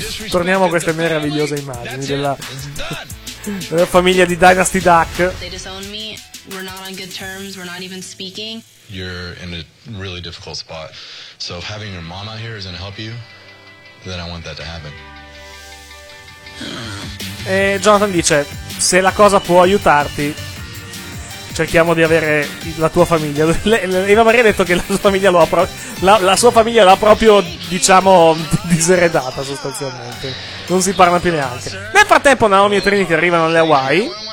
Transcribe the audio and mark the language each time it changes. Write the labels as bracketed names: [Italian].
[Italian] Torniamo a queste meravigliose immagini della famiglia di Dynasty Duck. [English] We're not on good terms, we're not even speaking. You're in a really difficult spot. So if having your mom out here is gonna help you, then I want that to happen. [Italian] E Jonathan dice, se la cosa può aiutarti, cerchiamo di avere la tua famiglia. Eva Maria ha detto che la sua famiglia lo ha proprio. La sua famiglia l'ha proprio, diciamo, diseredata sostanzialmente. Non si parla più neanche. Nel frattempo Naomi e Trinity arrivano alle Hawaii.